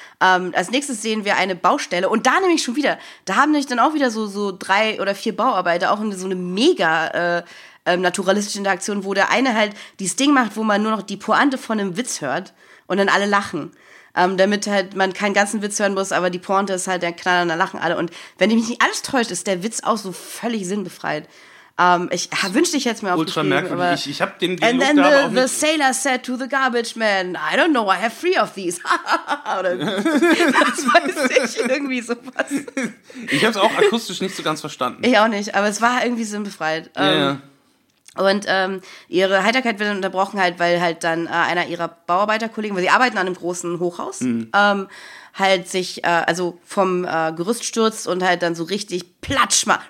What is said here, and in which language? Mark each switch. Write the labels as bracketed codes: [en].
[de] Als nächstes sehen wir eine Baustelle und da nämlich schon wieder, da haben nämlich dann auch wieder so drei oder vier Bauarbeiter, auch so eine mega naturalistische Interaktion, wo der eine halt dieses Ding macht, wo man nur noch die Pointe von einem Witz hört und dann alle lachen. Damit halt man keinen ganzen Witz hören muss, aber die Pointe ist halt der Knaller, da lachen alle. Und wenn ich mich nicht alles täuscht, ist der Witz auch so völlig sinnbefreit. Ich wünschte, ich hätte es mir auch ultra merkwürdig. Aber ich habe den Dialog da aber auch nicht. [en] And then the sailor said to the garbage man, I don't know, I have three of these. [de] Oder das weiß ich, irgendwie sowas. Ich habe es auch akustisch nicht so ganz verstanden. Ich auch nicht, aber es war irgendwie sinnbefreit. Ja. Und ihre Heiterkeit wird dann unterbrochen, halt, weil halt dann einer ihrer Bauarbeiterkollegen, weil sie arbeiten an einem großen Hochhaus, halt sich also vom Gerüst stürzt und halt dann so richtig platsch macht.